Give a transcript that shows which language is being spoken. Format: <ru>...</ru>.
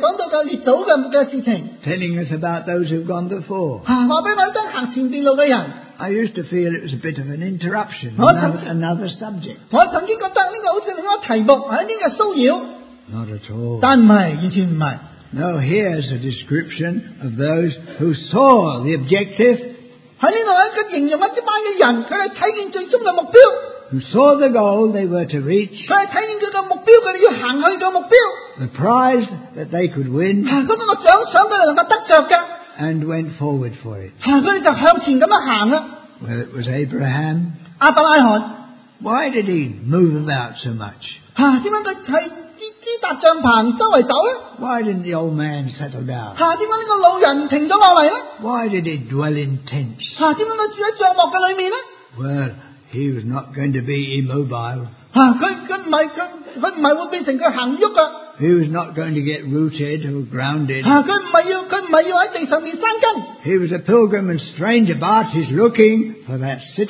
<zh>好像只是给我一个连串,</zh> <en>telling us about those who've gone before.</en> <zh>告诉我们行前面路的人,</zh> <en>I used to feel it was a bit of an interruption, another subject.</en> <zh>我曾经觉得这个好像另一个题目,</zh> <en>not at all.</en> <zh>但不是,</zh> <en>no, here's a description of those who saw the objective.</en> <zh>在这里形容一群人,他们看见最终的目标,</zh> <en>who saw the goal they were to reach,</en> <zh>他们看见他们的目标,他们要走去的目标,</zh> <en>the prize that they could win,</en> <zh>那个奖赏他们能够得着的,</zh> <en>and went forward for it.</en> <zh>他们就向前这样行,</zh> <en>whether it was Abraham,</en> <zh>阿伯拉罕,</zh> <en>why did he move about so much?</en> <zh>为什么他踏帐篷周围走呢?</zh> <en>Why didn't the old man settle down?</en> <zh>为什么这个老人停了下来呢?</zh> <en>Why did he dwell in tents?</en> <zh>为什么他住在帐幕里面呢?</zh> <en>Well, He was not going to be immobile. He was not going to get rooted or grounded. He was a pilgrim and stranger, but he's looking for that city.</en>